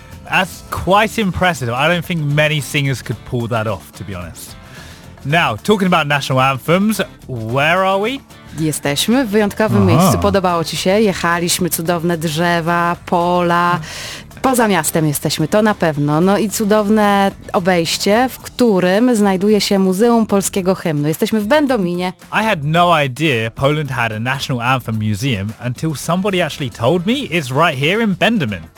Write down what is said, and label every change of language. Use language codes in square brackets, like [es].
[en] That's quite impressive. I don't think many singers could pull that off, to be honest. Now, talking about national anthems, where are we? [pl] Jesteśmy w wyjątkowym miejscu. Podobało ci się? Jechaliśmy, cudowne drzewa, pola. Poza miastem jesteśmy, to na pewno. No i cudowne obejście, w którym znajduje się Muzeum Polskiego Hymnu. Jesteśmy w Będominie. [en] I had no idea Poland had a national anthem museum until somebody actually told me it's right here in Będomin.